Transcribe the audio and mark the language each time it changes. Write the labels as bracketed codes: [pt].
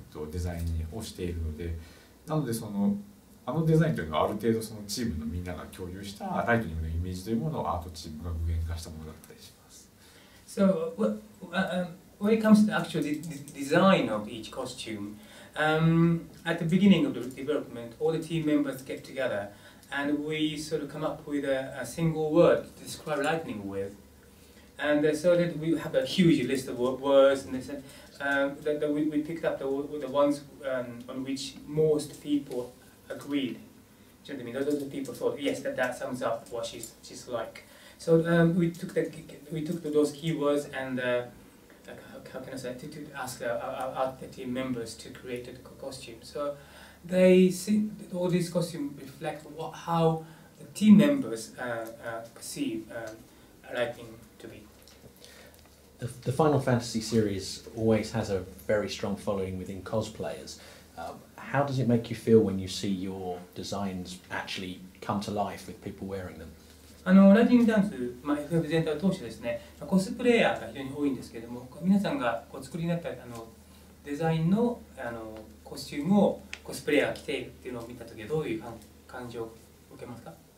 [ja] デザインをしているので、なのでそのあのデザインというのはある程度そのチームのみんなが共有したライトニングのイメージというものをアートチームが具現化したものだったりします。 [en] So, when it comes to the actual design of each costume, at the beginning of the development, all the team members get together and we sort of come up with a single word to describe lightning with. And so that we have a huge list of words and they said, that we picked up the ones on which most people agreed. Generally, you know, those people thought, yes, that sums up what she's like. So we took those keywords and how can I say, to ask our team members to create the costume. So they see all these costumes reflect how the team members perceive Lightning to be. The Final Fantasy series always has a very strong following within cosplayers. How does it make you feel when you see your designs actually come to life with people wearing them? [ja] あのライティングダンス、まあ、FF 全体を通してですね、コスプレイヤーが非常に多いんですけれども、皆さんがこう作りになったデザインのコスチュームをコスプレイヤーが着ているっていうのを見たときはどういう感情を受けますか？